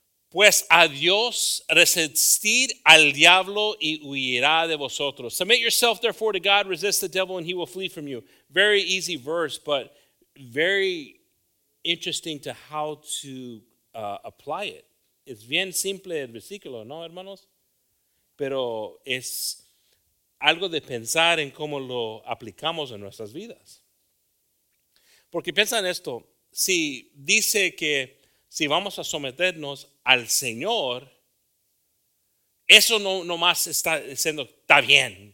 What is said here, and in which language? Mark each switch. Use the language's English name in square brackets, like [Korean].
[Spanish] Pues a Dios resistid al diablo y huirá de vosotros. [English] Submit yourself, therefore, to God. Resist the devil and he will flee from you. Very easy verse, but very interesting to how to apply it. [Spanish] Es bien simple el versículo, ¿no, hermanos? Pero es algo de pensar en cómo lo aplicamos en nuestras vidas. Porque piensa en esto. Si dice que si vamos a someternos al Señor, eso no más está diciendo, está bien.